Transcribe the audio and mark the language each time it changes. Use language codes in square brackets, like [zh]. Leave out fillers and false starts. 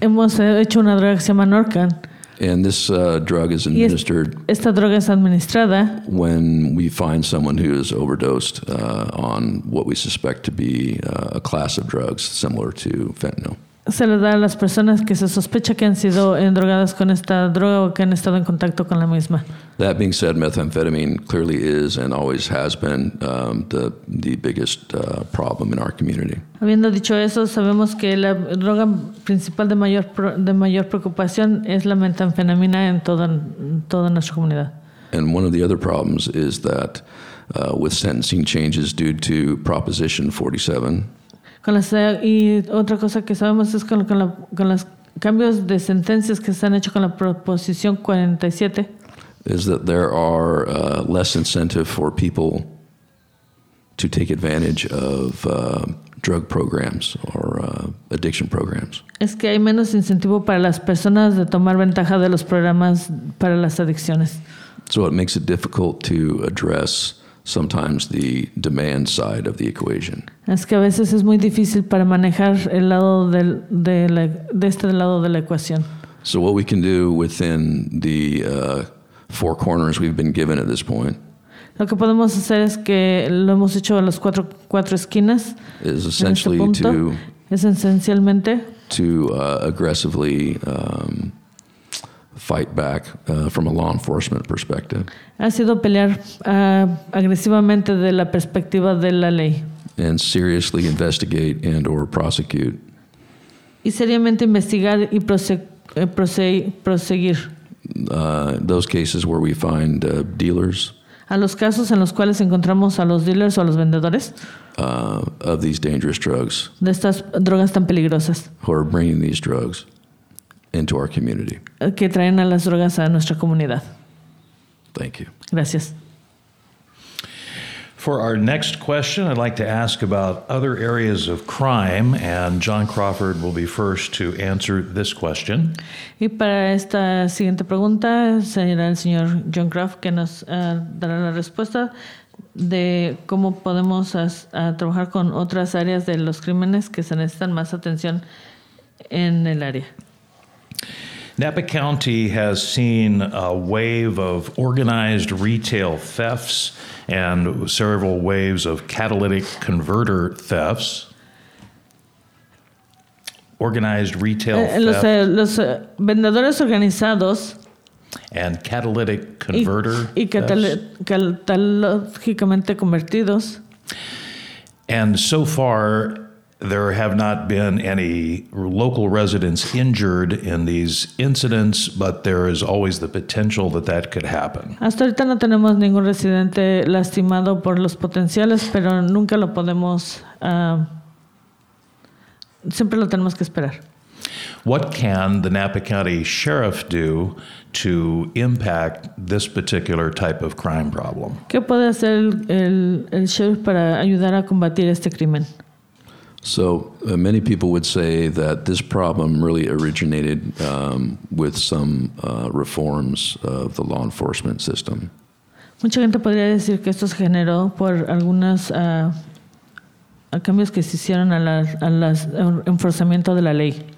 [es] Hemos hecho una droga que se llama Narcan. [en] And this drug is administered. [es] Esta droga es administrada [en] when we find someone who is overdosed on what we suspect to be a class of drugs similar to fentanyl. [es] Se le da a las personas que se sospecha que han sido drogadas con esta droga o que han estado en contacto con la misma. [en] That being said, methamphetamine clearly is and always has been the biggest problem in our community. [es] Habiendo dicho eso, sabemos que la droga principal de mayor preocupación es la metanfetamina en toda nuestra comunidad. [en] And one of the other problems is that with sentencing changes due to Proposition 47, [es] y otra cosa que sabemos es con los cambios de sentencias que se han hecho con la Proposición 47. [en] Is that there are less incentive for people to take advantage of drug programs or addiction programs. [es] Es que hay menos incentivo para las personas de tomar ventaja de los programas para las adicciones. [en] So it makes it difficult to address sometimes the demand side of the equation. [es] Es que a veces es muy difícil para manejar el lado de este lado de la ecuación. [en] So what we can do within the four corners we've been given at this point. [es] Lo que podemos hacer es que lo hemos hecho a las cuatro esquinas. [en] Is essentially [es] en este punto, [en] to [es] Es esencialmente [en] to aggressively fight back from a law enforcement perspective. [es] Ha sido pelear agresivamente de la perspectiva de la ley. [en] And seriously investigate and or prosecute. [es] Y seriamente investigar y proseguir. [en] Those cases where we find dealers. [es] A los casos en los cuales encontramos a los dealers o a los vendedores. [en] Of these dangerous drugs. [es] De estas drogas tan peligrosas. [en] Who are bringing these drugs into our community. [es] Que traen a las drogas a nuestra comunidad. [en] Thank you. [es] Gracias. [en] For our next question, I'd like to ask about other areas of crime, and John Crawford will be first to answer this question. [es] Y para esta siguiente pregunta será el señor John Crawford que nos dará la respuesta de cómo podemos trabajar con otras áreas de los crímenes que se necesitan más atención en el área. [en] Napa County has seen a wave of organized retail thefts and several waves of catalytic converter thefts. Organized retail thefts. [es] Los vendedores organizados. [en] And catalytic converter thefts. [es] Y catalógicamente convertidos. [en] And so far, there have not been any local residents injured in these incidents, but there is always the potential that that could happen. [es] Hasta ahorita no tenemos ningún residente lastimado por los potenciales, pero nunca lo podemos, siempre lo tenemos que esperar. [en] What can the Napa County Sheriff do to impact this particular type of crime problem? [es] ¿Qué puede hacer el sheriff para ayudar a combatir este crimen? [en] So many people would say that this problem really originated with some reforms of the law enforcement system. [es] Mucha gente podría decir que esto se generó por algunas cambios que se hicieron al enforzamiento de la ley.